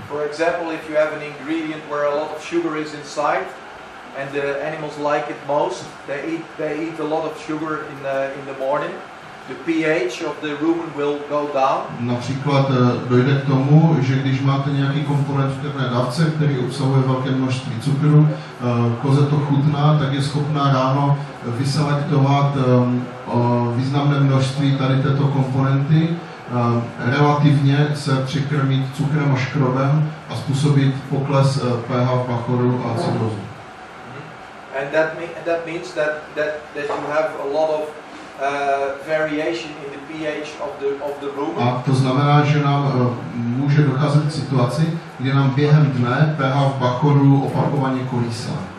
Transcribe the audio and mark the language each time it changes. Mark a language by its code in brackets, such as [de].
[en] For example, if you have an ingredient where a lot of sugar is inside, and the animals like it most, they eat a lot of sugar in the morning, the pH of the rumen will go down. [cs] Například dojde k tomu, že když máte nějaký komponent v krvné dávce, který obsahuje velké množství cukru, koze to chutná, tak je schopná ráno vyselektovat významné množství tady této komponenty, relativně se přikrmit cukrem a škrobem a způsobit pokles pH v pachoru a cukrozu. [en] And that means that you have a lot of variation in the pH of the room. [cs] A to znamená, že nám může docházet k situaci, kdy nám během dne pH v bachoru opakovaně kolísá.